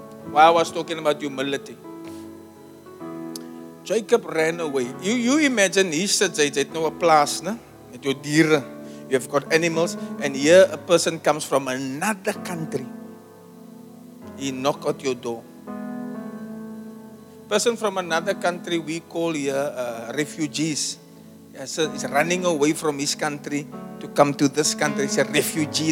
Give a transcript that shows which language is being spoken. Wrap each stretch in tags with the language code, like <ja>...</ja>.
<en>While I was talking about humility, Jacob ran away. You imagine, he said,</en> <af>jy het nou 'n plaas, ne? Met jou diere.</af> <en>You have got animals. And here a person comes from another country. He knock at your door. Person from another country, we call here refugees. Yeah, so he's running away from his country to come to this country. He's a refugee.</en>